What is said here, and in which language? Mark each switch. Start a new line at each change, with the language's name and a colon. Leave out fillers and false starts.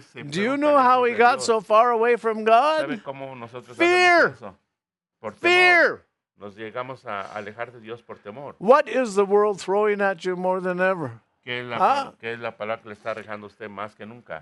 English: Do you know how he got so far away from God? Fear! Fear!
Spanish: Nos llegamos a alejar de Dios por temor.
English: What is the world throwing at you more than ever?
Spanish: ¿Qué es la palabra que le está arrojando usted más que nunca?